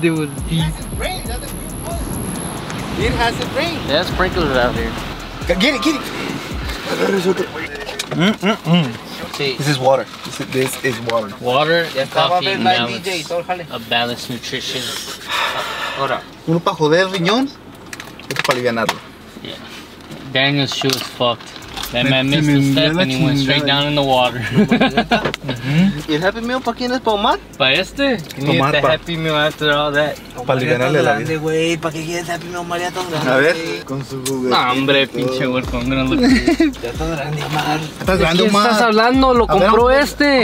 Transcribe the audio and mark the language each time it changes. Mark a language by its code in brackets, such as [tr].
[en] dude was deep. It has a rain. Yeah, sprinkles it out here. Get it. This is water. This is water. Water and coffee and now it's a balanced nutrition. [es] Ahora, uno para joder el riñón, otro para alivianarlo. [en] Yeah. Daniel's shoe is fucked. That man missed a step and he went straight down in the water. [es] ¿Y el Happy Meal para quién es? ¿Para Omar? Para este. [en] Need Omar, the Happy Meal after all that. [es] Para liberarle la vida. Wey, ¿para qué quieres Happy Meal, Omar? Ya está grande. A ver, con su Google. Ah, hombre, pinche huerco. [en] I'm gonna look at [es] ya está grande, Omar. ¿Estás grande, Omar? ¿Qué estás hablando? Lo compró este.